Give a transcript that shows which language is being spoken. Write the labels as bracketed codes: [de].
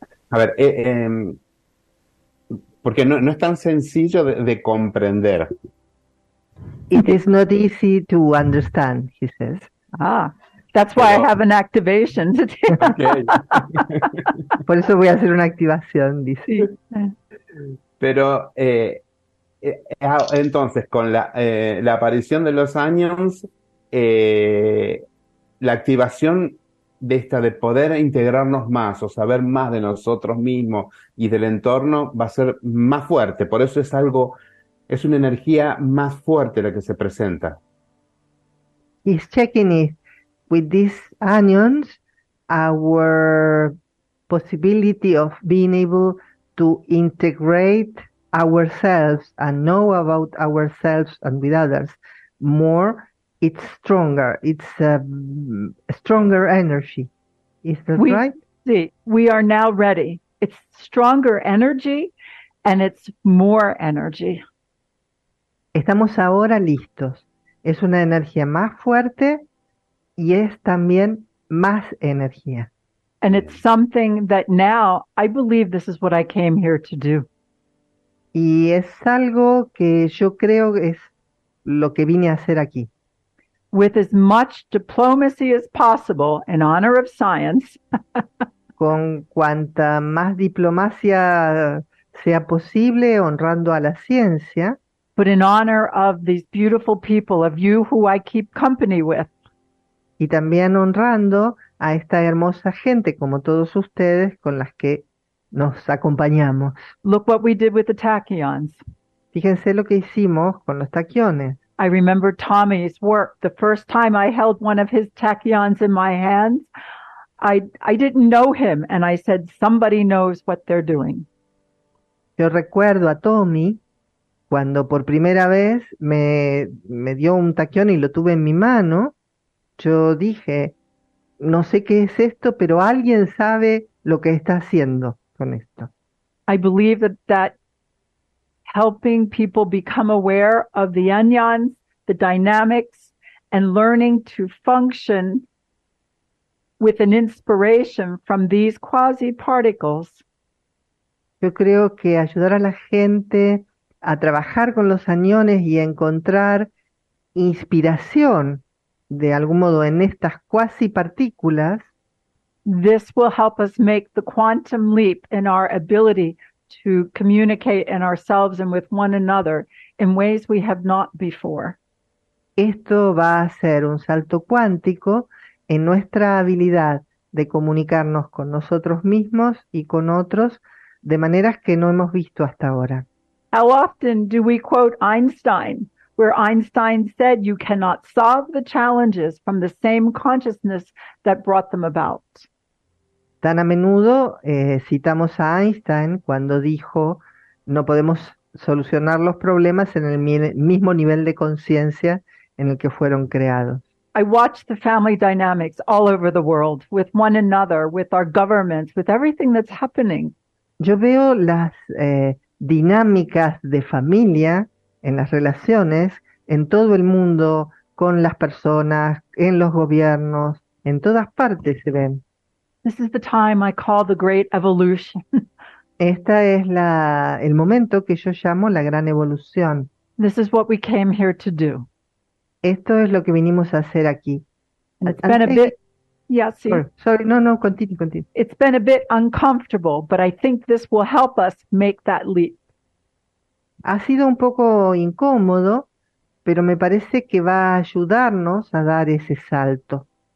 [es] A ver, porque no es tan sencillo de comprender. [en] It is not easy to understand, he says. Ah, that's why I have an activation. Okay. [es] Por eso voy a hacer una activación, dice. Pero, entonces, con la aparición de los onions, la activación de esta, de poder integrarnos más o saber más de nosotros mismos y del entorno, va a ser más fuerte. Por eso es algo, es una energía más fuerte la que se presenta. [en] He's checking it. With these onions, our possibility of being able to integrate ourselves and know about ourselves and with others more, it's stronger. It's a stronger energy. Is that right? See, we are now ready. It's stronger energy and it's more energy. [es] Estamos ahora listos. Es una energía más fuerte y es también más energía. [en] And it's something that now, I believe this is what I came here to do. [es] Y es algo que yo creo es lo que vine a hacer aquí. [en] With as much diplomacy as possible, in honor of science. [es] Con cuanta más diplomacia sea posible, honrando a la ciencia. [en] But in honor of these beautiful people, of you who I keep company with. [es] Y también honrando a esta hermosa gente, como todos ustedes, con las que nos acompañamos. [en] Look what we did with the tachyons. [es] Fíjense lo que hicimos con los tachyones. [en] I remember Tommy's work. The first time I held one of his tachyons in my hands, I didn't know him, and I said, somebody knows what they're doing. [es] Yo recuerdo a Tommy cuando por primera vez me dio un tachyón y lo tuve en mi mano. Yo dije, no sé qué es esto, pero alguien sabe lo que está haciendo con esto. [en] I believe that helping people become aware of the onions, the dynamics, and learning to function with an inspiration from these quasi-particles. [es] Yo creo que ayudar a la gente a trabajar con los aniones y encontrar inspiración de algún modo en estas cuasi partículas, [en] this will help us make the quantum leap in our ability to communicate in ourselves and with one another in ways we have not before. [es] Esto va a ser un salto cuántico en nuestra habilidad de comunicarnos con nosotros mismos y con otros de maneras que no hemos visto hasta ahora. [en] How often do we quote Einstein? Where Einstein said you cannot solve the challenges from the same consciousness that brought them about. [es] Tan a menudo citamos a Einstein cuando dijo no podemos solucionar los problemas en el mismo nivel de conciencia en el que fueron creados. [en] I watch the family dynamics all over the world with one another, with our governments, with everything that's happening. [es] Yo veo las dinámicas de familia en las relaciones, en todo el mundo, con las personas, en los gobiernos, en todas partes se ven. [en] This is the time I call the great evolution. [es] Esta es el momento que yo llamo la gran evolución. [en] This is what we came here to do. [es] Esto es lo que vinimos a hacer aquí. [en] It's been a bit, Yeah, see. Sorry, no, continue. It's been a bit uncomfortable, but I think this will help us make that leap. [es] Ha sido un poco incómodo, pero me parece que va a ayudarnos a dar ese salto.